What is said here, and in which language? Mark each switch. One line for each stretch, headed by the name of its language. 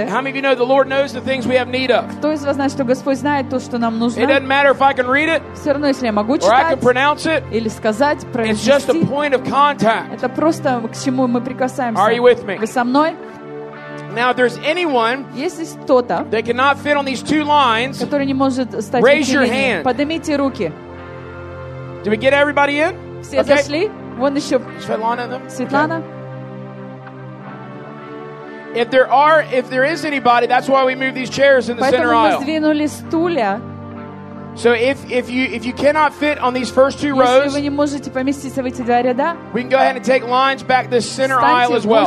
English: how many of you know the Lord knows the things we have need of?
Russian: Кто из вас знает, что Господь знает то, что нам нужно?
English: It doesn't matter if I can read it,
Russian: все равно, если я могу читать,
English: or I can pronounce it,
Russian: или сказать, произнести,
English: it's just a point of contact.
Russian: Это просто к чему мы прикасаемся.
English: Are you with me?
Russian: Вы со мной?
English: Now, if there's anyone that cannot fit on these two lines, raise your hand.
Russian: Поднимите руки.
English: Do we get everybody in?
Russian: Все зашли? Вон еще. Светлана. Светлана.
English: If there are, if there is anybody, that's why we move these chairs in the center aisle.
Russian: Поэтому мы сдвинули стулья.
English: So if you cannot fit on these first two rows,
Russian: если вы не можете поместиться в эти два ряда,
English: we can go ahead and take lines back this center aisle as well.